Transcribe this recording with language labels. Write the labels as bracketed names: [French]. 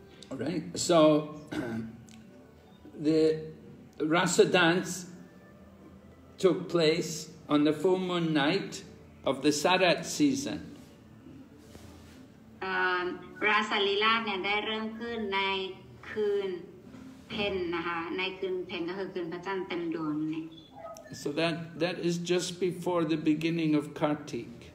[English] All right, so the Rasa dance took place on the full moon night of the Sarat season. [Thai] Rasa Lila ได้เริ่มขึ้นในคืนเพ็ญนะคะในคืนเพ็ญก็คือคืนพระจันทร์เต็มดวงนี่ [English] So that is just before the beginning of Kartik.